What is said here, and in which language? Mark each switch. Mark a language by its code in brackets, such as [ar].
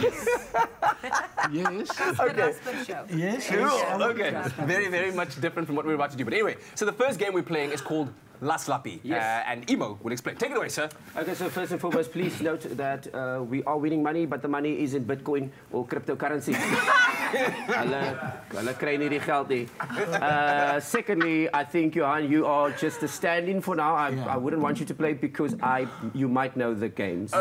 [en] Yes. Okay. Yes. Cool. Okay. Very, very much different from what we're about to do. But anyway, so the first game we're playing is called La Slappy. Yes. And Emo will explain. Take it away, sir. Okay, so first and foremost, please note that we are winning money, but the money is in Bitcoin or cryptocurrency. [af] Hulle kry nie die geld nie. [en] Secondly, I think, Johan, you are just a stand-in for now. I wouldn't want you to play because you might know the games.